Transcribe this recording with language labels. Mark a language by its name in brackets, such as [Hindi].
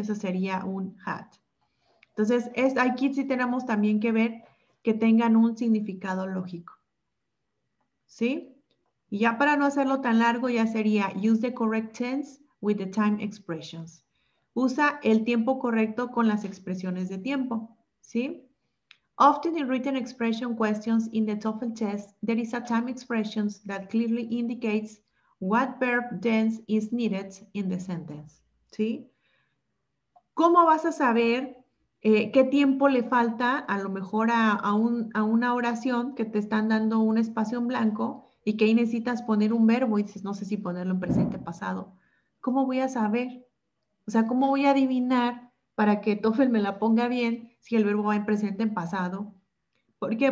[Spanish] Eso sería un had. Entonces, aquí sí tenemos también que ver que tengan un significado lógico, ¿sí? Y ya para no hacerlo tan largo, ya sería [English] use the correct tense with the time expressions. [Spanish] Usa el tiempo correcto con las expresiones de tiempo, ¿sí? [English] Often in written expression questions in the TOEFL test, there is a time expression that clearly indicates what verb tense is needed in the sentence, ¿sí? [Spanish] ¿Cómo vas a saber qué tiempo le falta a lo mejor a una oración que te están dando un espacio en blanco y que ahí necesitas poner un verbo y dices, no sé si ponerlo en presente o pasado? ¿Cómo voy a saber? O sea, ¿cómo voy a adivinar para que TOEFL me la ponga bien si el verbo va en presente, en pasado? ¿Por qué?